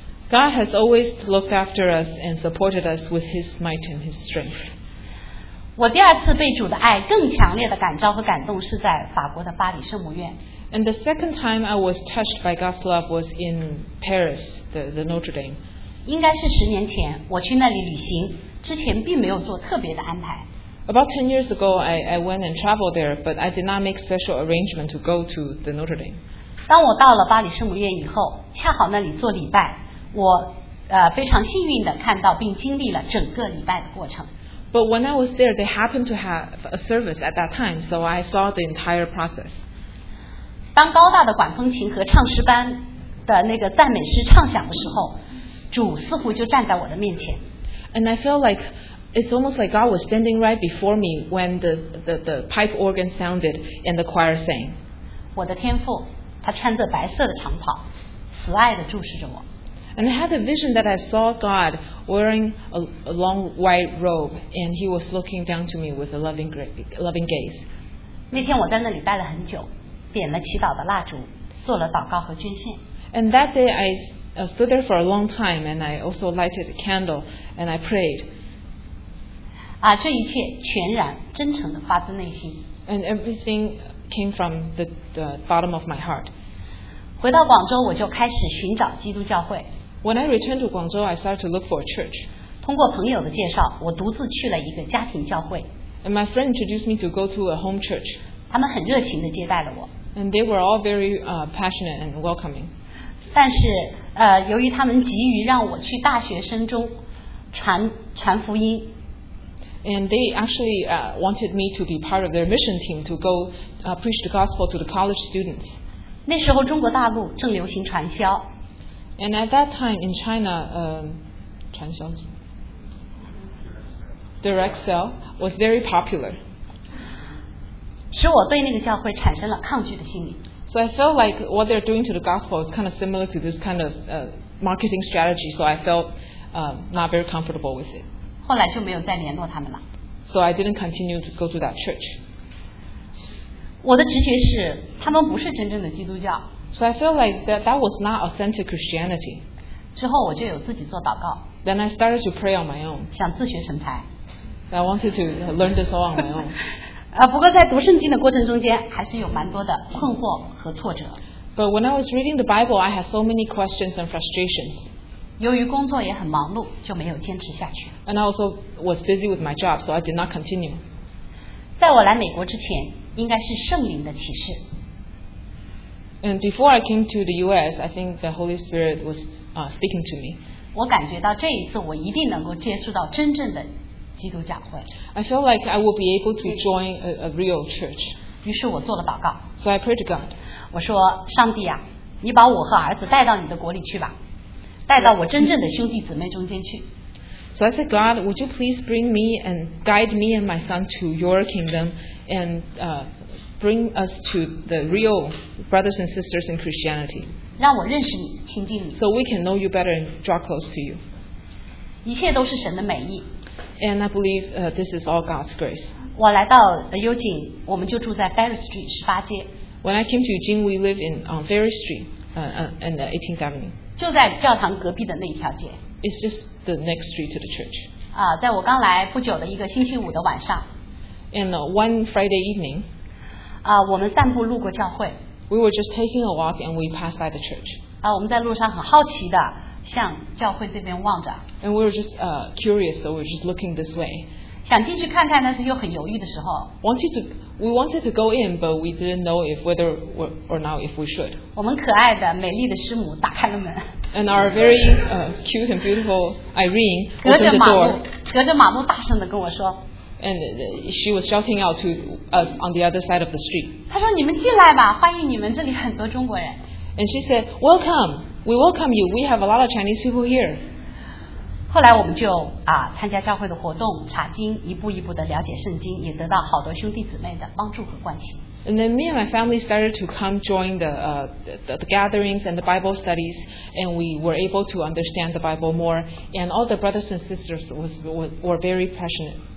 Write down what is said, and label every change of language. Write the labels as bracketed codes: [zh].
[en] God has always looked after us and supported us with his might and his strength. [zh] 我第二次被主的爱更强烈的感召和感动是在法国的巴黎圣母院。 [en] And the second time I was touched by God's love was in Paris, the Notre Dame. [zh] 应该是十年前，我去那里旅行，之前并没有做特别的安排。 [en] About 10 years ago, I went and traveled there, but I did not make special arrangement to go to the Notre Dame. [zh] 当我到了巴黎圣母院以后，恰好那里做礼拜，我非常幸运地看到并经历了整个礼拜的过程。 [en] But when I was there, they happened to have a service at that time, so I saw the entire process. [zh] 当高大的管风琴和唱诗班的那个赞美诗唱响的时候，主似乎就站在我的面前。 [en] And I felt like it's almost like God was standing right before me when the pipe organ sounded and the choir sang. [zh] 我的天父，他穿着白色的长袍，慈爱地注视着我。 [en] And I had a vision that I saw God wearing a long white robe, and he was looking down to me with a loving gaze. [zh] 那天我在那里待了很久，点了祈祷的蜡烛，做了祷告和捐献。 [en] And that day I stood there for a long time, and I also lighted a candle, and I prayed. [zh] 啊，这一切全然真诚的发自内心。 [en] And everything came from the bottom of my heart. [zh] 回到广州，我就开始寻找基督教会。 [en] When I returned to Guangzhou, I started to look for a church. [zh] 通过朋友的介绍，我独自去了一个家庭教会。 [en] And my friend introduced me to go to a home church. [zh] 他们很热情地接待了我。 [en] And they were all very passionate and welcoming. [zh] 但是由于他们急于让我去大学生中传福音。 [en] And they actually wanted me to be part of their mission team to go preach the gospel to the college students. [zh] 那时候中国大陆正流行传销。 [en] And at that time in China, 传销 direct sale was very popular. [zh] 使我对那个教会产生了抗拒的心理。 [en] So I felt like what they're doing to the gospel is kind of similar to this kind of marketing strategy. So I felt not very comfortable with it. [zh] 后来就没有再联络他们了。 [en] So I didn't continue to go to that church. [zh] 我的直觉是，他们不是真正的基督教。 [en] So I felt like that was not authentic Christianity. [zh] 之后我就有自己做祷告。 [en] Then I started to pray on my own. [zh] 想自学成才。 [en] I wanted to learn this all on my own. [zh] 不过在读圣经的过程中间，还是有蛮多的困惑和挫折。 [en] But when I was reading the Bible, I had so many questions and frustrations. [zh] 由于工作也很忙碌，就没有坚持下去。 [en] And I also was busy with my job, so I did not continue. [zh] 在我来美国之前，应该是圣灵的启示。 [en] And before I came to the U.S., I think the Holy Spirit was speaking to me. [zh] 我感觉到这一次我一定能够接触到真正的基督教会。 [en] I felt like I would be able to join a real church. [zh] 于是我做了祷告。 [en] So I prayed to God. [zh] 我说，上帝啊，你把我和儿子带到你的国里去吧，带到我真正的兄弟姊妹中间去。 [en] So I said, God, would you please bring me and guide me and my son to your kingdom and bring us to the real brothers and sisters in Christianity. [zh] 让我认识你，亲近你。 [en] So we can know you better and draw close to you. [zh] 一切都是神的美意。 [en] And I believe this is all God's grace. [zh] 我来到幽景，我们就住在 Ferry Street 十八街。 [en] When I came to Eugene, we live in on Ferry Street, and the 18th Avenue. [zh] 就在教堂隔壁的那一条街。 [en] It's just the next street to the church. [zh] 在我刚来不久的一个星期五的晚上。 [en] And one Friday evening. [zh] 我们散步路过教会。 [en] We were just taking a walk and we passed by the church. [zh] 我们在路上很好奇的向教会这边望着。 [en] And we were just curious, so we were just looking this way. [zh] 想进去看看，但是又很犹豫的时候。 [en] We wanted to go in, but we didn't know if whether or not if we should. [zh] 我们可爱的美丽的师母打开了门。 [en] And our very cute and beautiful Irene opened the door. [zh] 隔着马路大声的跟我说。 [en] And she was shouting out to us on the other side of the street. [zh] 她说你们进来吧，欢迎你们，这里很多中国人。 [en] And she said, "Welcome. We welcome you. We have a lot of Chinese people here." [zh] 后来我们就参加教会的活动，查经，一步一步的了解圣经，也得到好多兄弟姊妹的帮助和关心。 [en] And then me and my family started to come join the gatherings and the Bible studies, and we were able to understand the Bible more. And all the brothers and sisters were very passionate.